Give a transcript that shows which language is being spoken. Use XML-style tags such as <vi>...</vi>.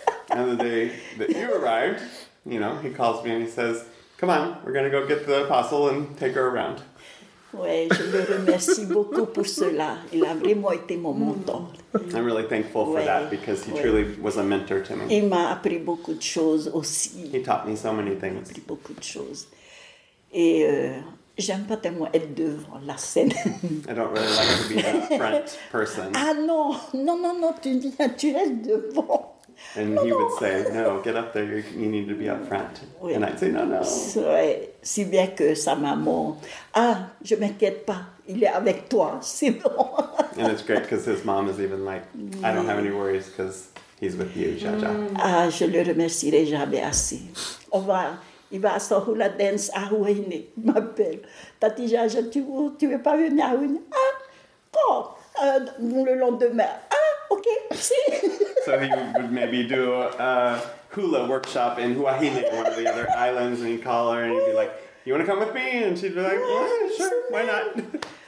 <en>And the day that you arrived, you know, he calls me and he says, come on, we're going to go get the apostle and take her around.</en> <fr>Oui, je le remercie beaucoup pour cela. Il a vraiment été mon mentor.</fr> <en>I'm really thankful for that because he truly was a mentor to me.</en> <fr>Il m'a appris beaucoup de choses aussi.</fr> <en>He taught me so many things.</en> <fr>Il m'a appris beaucoup de choses. Et j'aime pas tellement être devant la scène.</fr> <en>I don't really like to be a front person.</en> <fr>Ah non, non, non, non, tu viens, tu es devant.</fr> <en>And he would say, no, get up there, you need to be up front. Oui. And I'd say, no, no.</en> <fr>C'est si bien que sa maman, ah, je m'inquiète pas, il est avec toi, c'est bon.</fr> <en>And it's great because his mom is even like, I don't have any worries because he's with you, Jaja.</en> <fr>Ah, je le remercierai jamais assez. Au revoir. Il va à la danse à Rouyne, ma belle. Tati Jaja, tu veux pas venir à Rouyne? Ah, quand? Le lendemain.</fr> <en>So he would maybe do a hula workshop in Huahine, one of the other islands, and he'd call her and he'd be like, you want to come with me? And she'd be like, yeah, sure, why not?</en>